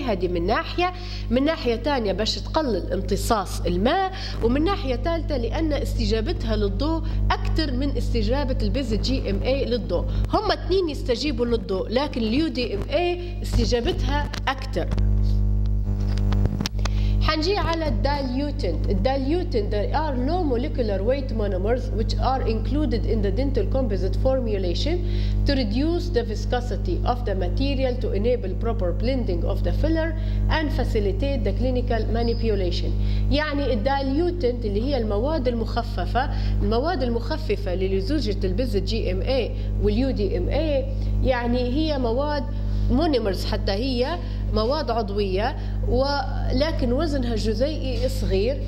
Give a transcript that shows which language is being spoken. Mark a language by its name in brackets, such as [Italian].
[Arabic] هذه من ناحيه، من ناحيه ثانيه باش تقلل امتصاص الماء، ومن ناحيه ثالثه لان استجابتها للضوء اكثر من استجابه البيز جي ام اي للضوء. هم اثنين يستجيبوا للضوء، لكن اليو دي ام اي استجابتها أكتر. حنجي على الدايلوتنت. [English] الدايلوتنت they are low molecular weight monomers which are included in the dental composite formulation to reduce the viscosity of the material to enable proper blending of the filler and facilitate the clinical manipulation. [Arabic] يعني الدايلوتنت اللي هي المواد المخففة، المواد المخففة للزوجة البز جي ام اي واليو دي ام اي، يعني هي مواد مونيمرز، حتى هي مواد عضوية ولكن وزنها جزيئي صغير.